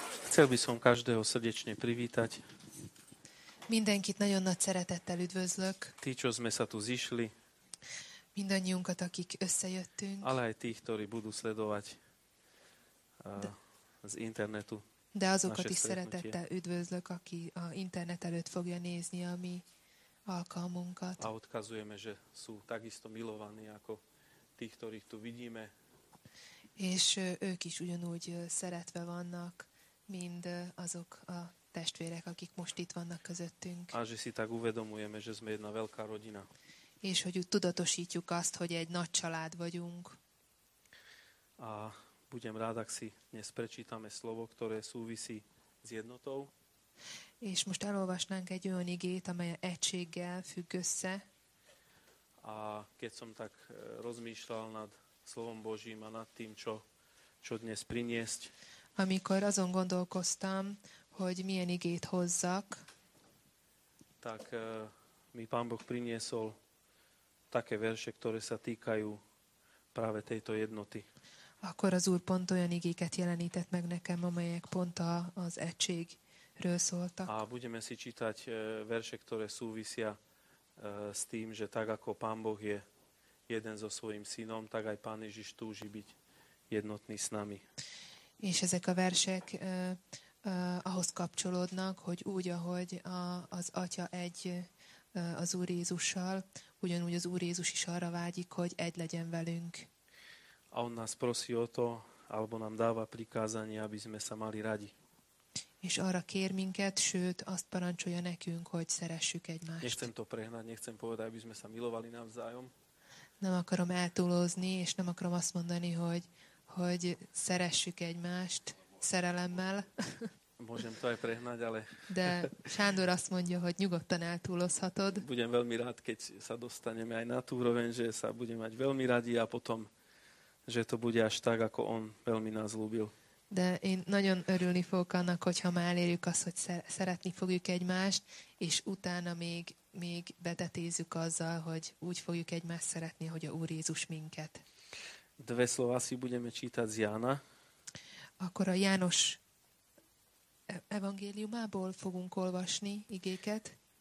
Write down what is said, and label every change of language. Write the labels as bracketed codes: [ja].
[sk] Chcel by som každého srdečne privítať. [hu] Mindenkit nagyon nagy szeretettel üdvözlök. [sk] Tí, čo sme sa tu zišli. [hu] Mindannyiunkat, akik összejöttünk. [sk] Ale aj tí, ktorí budú sledovať z internetu. [hu] De azokat is szeretettel üdvözlök, aki a internet előtt fogja nézni a mi alkalmunkat. [sk] A odkazujeme, že sú takisto milovaní, ako tí, ktorých tu vidíme. [hu] És ők is ugyanúgy szeretve vannak, mint azok a testvérek, akik most itt vannak közöttünk. [sk] A že si tak uvedomujeme, že sme jedna veľká rodina. [hu] És hogy úgy tudatosítjuk azt, hogy egy nagy család vagyunk. [sk] A budem rád, ak si dnes prečítame slovo, ktoré súvisí s jednotou. [hu] És most elolvasnánk egy olyan igét, amely egységgel függ össze. [sk] A keď som tak rozmýšľal nad slovom Božím a nad tým, čo dnes priniesť. [hu] Amikor azon gondolkoztam, hogy milyen igét hozzak. [sk] Tak mi Pán Boh priniesol také verše, ktoré sa týkajú práve tejto jednoty. [hu] Akkor az Úr pont olyan igéket jelenített meg nekem, amelyek pont az egységről szóltak. [sk] A budeme si čítať verše, ktoré súvisia s tým, že tak ako Pán Boh je jeden so svojím synom, tak aj Pán Ježiš túži byť jednotný s nami. [hu] És ezek a versek ahhoz kapcsolódnak, hogy úgy, ahogy az Atya egy az Úr Jézussal, ugyanúgy az Úr Jézus is arra vágyik, hogy egy legyen velünk. [sk] A on nás prosí o to, alebo nám dáva prikázanie, aby sme sa mali radi. [hu] És arra kér minket, sőt, azt parancsolja nekünk, hogy szeressük egymást. [sk] Nechcem to prehnať, nechcem povedať, aby sme sa milovali navzájom. [hu] Nem akarom eltúlozni, és nem akarom azt mondani, hogy szeressük egymást szerelemmel. [sk] Môžem to aj prehnať, ale... [hu] De Sándor azt mondja, hogy nyugodtan eltúlozhatod. [sk] Budem veľmi rád, keď sa dostaneme aj na tú úroveň, že sa budem mať veľmi radi a potom, že to bude až tak, ako on veľmi nás ľúbil. [hu] De én nagyon örülni fogok annak, hogyha már elérjük azt, hogy szeretni fogjuk egymást, és utána még betetézzük azzal, hogy úgy fogjuk egymást szeretni, hogy a Úr Jézus minket. [sk] Dve slova si budeme čítať z Jána. [hu] Akkor a János evangéliumából fogunk olvasni igéket.